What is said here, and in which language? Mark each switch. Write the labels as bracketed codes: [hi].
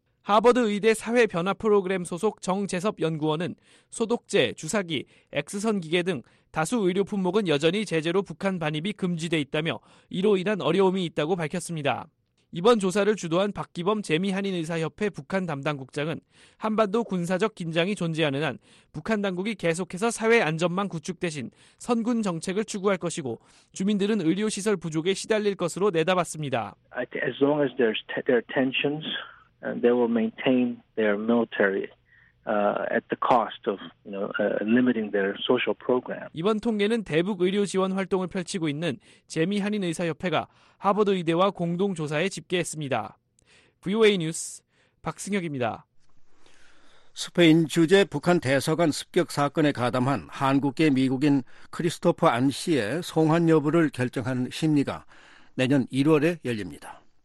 [ko] 하버드 의대 사회 변화 프로그램 소속 정재섭 연구원은 소독제, 주사기, X선 기계 등 다수 의료 품목은 여전히 제재로 북한 반입이 금지돼 있다며 이로 인한 어려움이 있다고 밝혔습니다. 이번 조사를 주도한 박기범 제미한인의사협회 북한 담당국장은 한반도 군사적 긴장이 존재하는 한 북한 당국이 계속해서 사회안전망 구축 대신 선군 정책을 추구할 것이고 주민들은 의료시설 부족에 시달릴 것으로 내다봤습니다. [en] As long as there are tensions, they will maintain their military. At the cost of, you know, limiting their social program. [ko] 이번 통계는 대북 의료 지원 활동을 펼치고 있는 제미 한인 의사 협회가 하버드 의대와 공동 조사에 집계했습니다. VOA 뉴스 박승혁입니다. 스페인 주재 북한 대사관 습격 사건에 가담한 한국계 미국인 크리스토퍼 안 씨의 송환 여부를 결정하는 심리가 내년 1월에 열립니다.